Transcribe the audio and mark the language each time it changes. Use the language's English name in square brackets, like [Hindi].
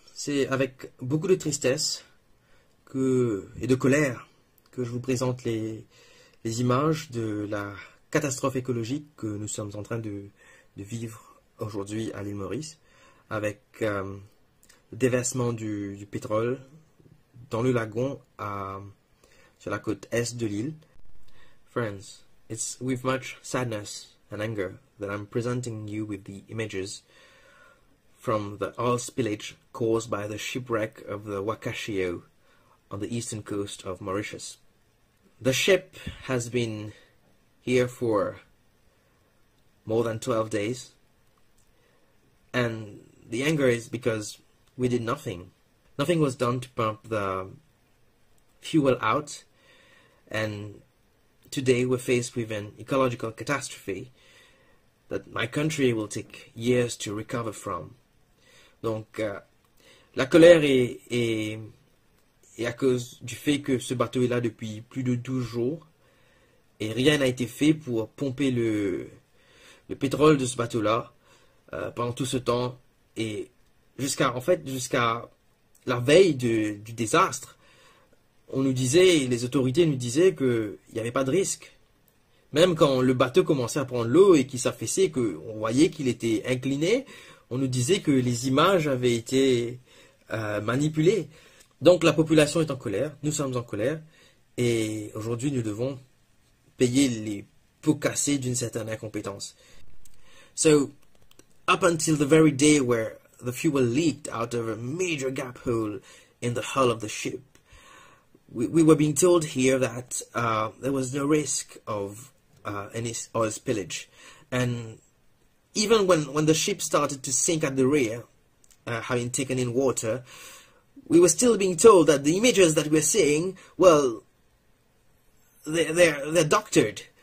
[French] C'est avec beaucoup de tristesse et de colère que je vous présente les images de la catastrophe écologique que nous sommes en train de vivre aujourd'hui à l'île Maurice, avec le déversement du pétrole dans le lagon sur la côte est de l'île. [English] Friends, it's with much sadness and anger that I'm presenting you with the images from the oil spillage caused by the shipwreck of the Wakashio on the eastern coast of Mauritius. The ship has been here for more than 12 days, and the anger is because we did nothing. Nothing was done to pump the fuel out, and today we're faced with an ecological catastrophe that my country will take years to recover from. [French] Donc, la colère est à cause du fait que ce bateau est là depuis plus de 12 jours et rien n'a été fait pour pomper le pétrole de ce bateau-là pendant tout ce temps. Et jusqu'à la veille du désastre, on nous disait, les autorités nous disaient qu'il n'y avait pas de risque. Même quand le bateau commençait à prendre l'eau et qu'il s'affaissait, qu'on voyait qu'il était incliné, on nous disait que les images avaient été manipulées. Donc la population est en colère, nous sommes en colère, et aujourd'hui nous devons payer les pots cassés d'une certaine incompétence. [English] So, up until the very day where the fuel leaked out of a major gap hole in the hull of the ship, we were being told here that there was no risk of any oil spillage. And even when the ship started to sink at the rear, having taken in water, we were still being told that the images that we're seeing, well, they're doctored.